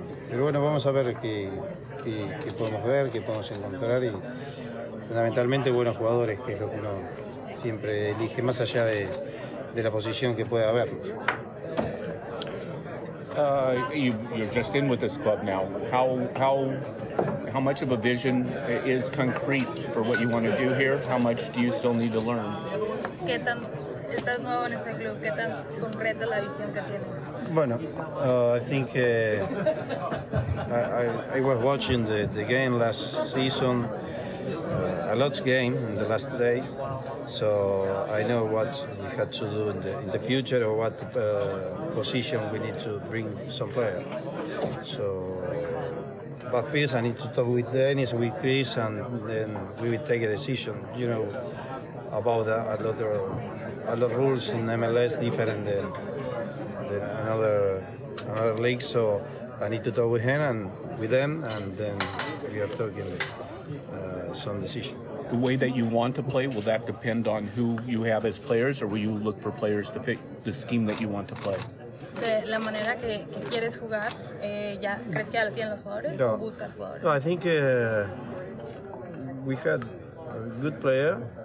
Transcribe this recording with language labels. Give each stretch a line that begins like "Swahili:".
Spanish: Pero bueno, vamos a ver qué podemos ver, qué podemos encontrar. Y fundamentalmente, buenos jugadores, que es lo que uno siempre elige, más allá de la posición que pueda haber.
English: You're just in with this club now. How much of a vision is concrete for what you want to do here? How much do you still need to learn?
Spanish: ¿Qué tan estás nuevo en este club? ¿Qué tan concreta la visión que tienes?
English: Bueno, I think I was watching the game last season. A lot game in the last days, so I know what we had to do in the future or what position we need to bring some player. So, but first I need to talk with Dennis, with Chris, and then we will take a decision. You know about a lot of rules in MLS different than another league. So I need to talk with him and with them, and then we are talking. Some decision. The way that you want to play, will that depend on who you have as players, or will you look for players to fit the scheme that you want to play?
Spanish: la manera que quieres jugar, ya crees que ya lo tienen los jugadores, no, o buscas jugadores?
English: No, I think we had a good player.